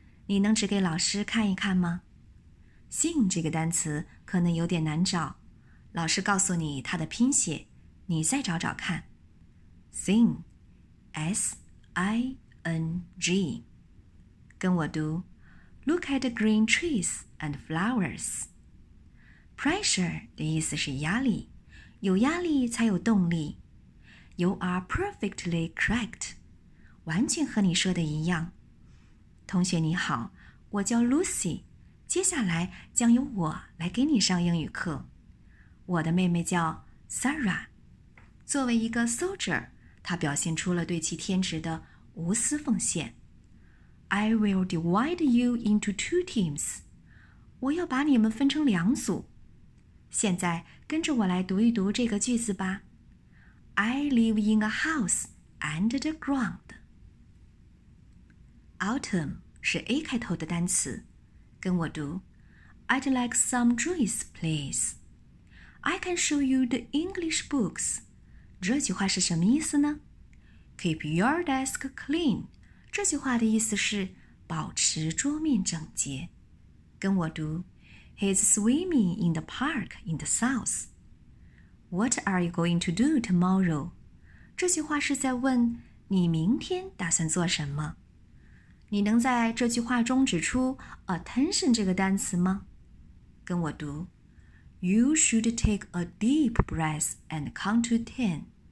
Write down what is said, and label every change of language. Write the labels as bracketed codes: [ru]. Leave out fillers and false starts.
[zh] 你能指给老师看一看吗？Sink 这个单词可能有点难找，老师告诉你它的拼写，你再找找看。 [en] Sink, S-I-N-G. [zh] 跟我读 [en] ,Look at the green trees and flowers. [zh] Pressure 的意思是压力，有压力才有动力。 [en] You are perfectly correct. [zh] 完全和你说的一样。同学你好，我叫 Lucy。接下来将由我来给你上英语课。我的妹妹叫 Sarah。作为一个 soldier, 她表现出了对其天职的无私奉献。 [en] I will divide you into two teams. 我要把你们分成两组。 [zh] 现在跟着我来读一读这个句子吧。 [en] I live in a house under the ground. Autumn [zh] 是 A 开头的单词。跟我读 [en] I'd like some juice, please. I can show you the English books. [zh] 这句话是什么意思呢 [en] Keep your desk clean. [zh] 这句话的意思是保持桌面整洁。跟我读 [en] He's swimming in the park in the south. What are you going to do tomorrow? [zh] 这句话是在问你明天打算做什么。你能在这句话中指出 attention 这个单词吗？跟我读 [en] You should take a deep breath and count to ten.